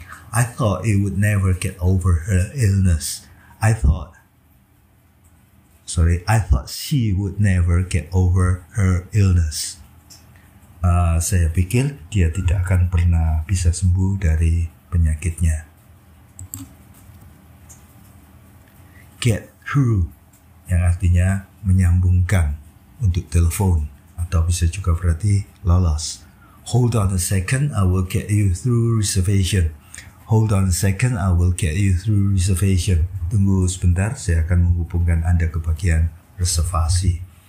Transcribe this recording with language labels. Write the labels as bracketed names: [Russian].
[English] I thought it would never get over her illness. I thought she would never get over her illness. [Indonesian] Saya pikir dia tidak akan pernah bisa sembuh dari penyakitnya. Get through, yang artinya menyambungkan. Untuk telepon, atau bisa juga berarti lolos. [English] Hold on a second, I will get you through reservation. Hold on a second, I will get you through reservation. [Indonesian] Tunggu sebentar, saya akan menghubungkan Anda ke bagian reservasi.